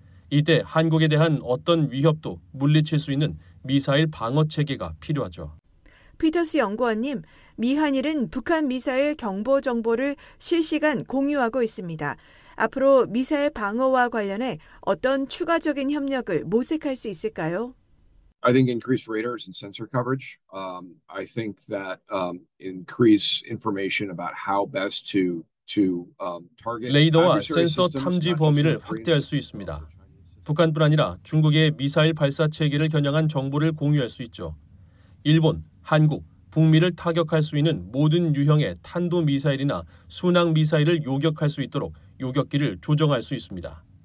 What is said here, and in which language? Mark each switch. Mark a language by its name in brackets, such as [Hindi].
[Korean] 이때 한국에 대한 어떤 위협도 물리칠 수 있는 미사일 방어 체계가 필요하죠. 피터스 연구원님, 미한일은 북한 미사일 경보 정보를 실시간 공유하고 있습니다. 앞으로 미사일 방어와 관련해 어떤 추가적인 협력을 모색할 수 있을까요? [English] I think increased radars and sensor coverage. I think that increased information about how best to target. [Korean] 레이더와 센서 탐지 범위를 확대할 수 있습니다. 북한뿐 아니라 중국의 미사일 발사 체계를 겨냥한 정보를 공유할 수 있죠. 일본, 한국, 북미를 타격할 수 있는 모든 유형의 탄도 미사일이나 순항 미사일을 요격할 수 있도록 요격기를 조정할 수 있습니다.